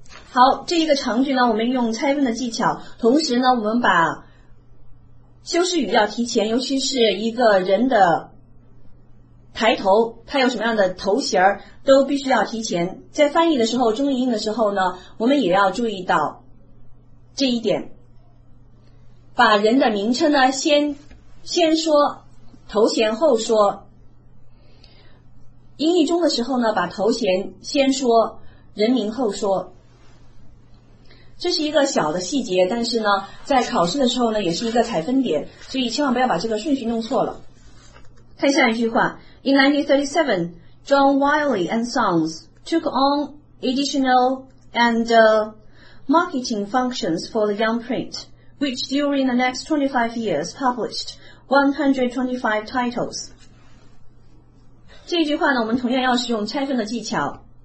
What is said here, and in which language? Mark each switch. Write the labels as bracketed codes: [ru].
[zh] 好，这一个长句呢我们用拆分的技巧，同时呢我们把修饰语要提前，尤其是一个人的抬头他有什么样的头衔都必须要提前，在翻译的时候中英的时候呢我们也要注意到这一点，把人的名称呢先说头衔后说，英译中的时候呢把头衔先说人名后说，这是一个小的细节，但是呢在考试的时候呢也是一个采分点，所以千万不要把这个顺序弄错了。看下一句话， [en] In 1937, John Wiley and Sons took on additional and marketing functions for the Young Print, which during the next 25 years published 125 titles. [zh] 这句话呢，我们同样要使用拆分的技巧。